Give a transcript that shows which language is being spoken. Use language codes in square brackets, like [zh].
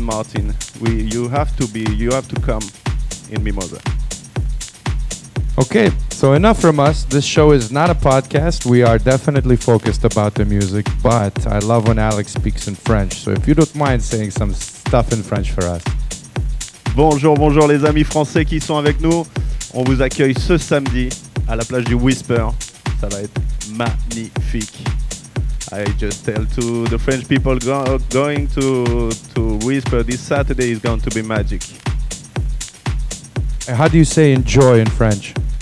[en] Martin. You have to come in Mimosa. Okay, so enough from us. This show is not a podcast. We are definitely focused about the music, but I love when Alex speaks in French. So if you don't mind saying some stuff in French for us. [fr] Bonjour, bonjour les amis français qui sont avec nous. On vous accueille ce samedi à la plage du Whisper. Ça va être magnifique. [en] I just tell to the French people going to Whisper this Saturday is going to be magic. And how do you say enjoy in French?